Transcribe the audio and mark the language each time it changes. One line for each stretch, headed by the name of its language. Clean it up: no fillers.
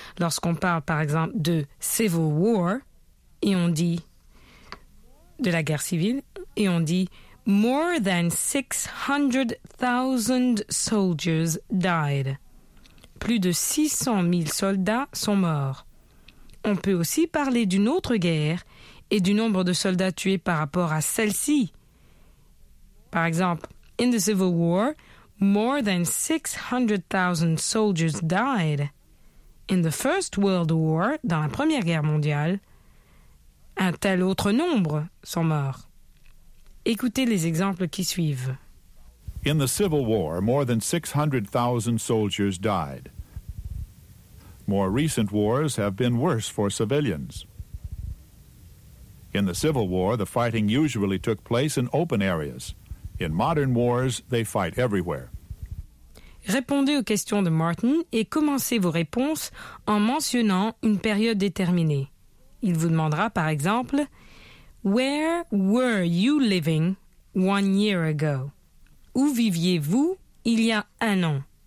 French: Lorsqu'on parle, par exemple, de Civil War, et on dit de la guerre civile, et on dit
English: More than 600,000 soldiers died.
French: Plus de 600 000 soldats sont morts. On peut aussi parler d'une autre guerre et du nombre de soldats tués par rapport à celle-ci. Par exemple,
English: In the Civil War, More than 600,000 soldiers died. In the First World War,
French: dans la Première Guerre mondiale, un tel autre nombre sont morts. Écoutez les exemples qui suivent.
English: In the Civil War, more than 600,000 soldiers died. More recent wars have been worse for civilians. In the Civil War, the fighting usually took place in open areas. In modern wars, they fight everywhere.
French: Répondez aux questions de Martin et commencez vos réponses en mentionnant une période déterminée. Il vous demandera, par exemple,
English: Where were you living 1 year ago?
French: Où viviez-vous il y a un an?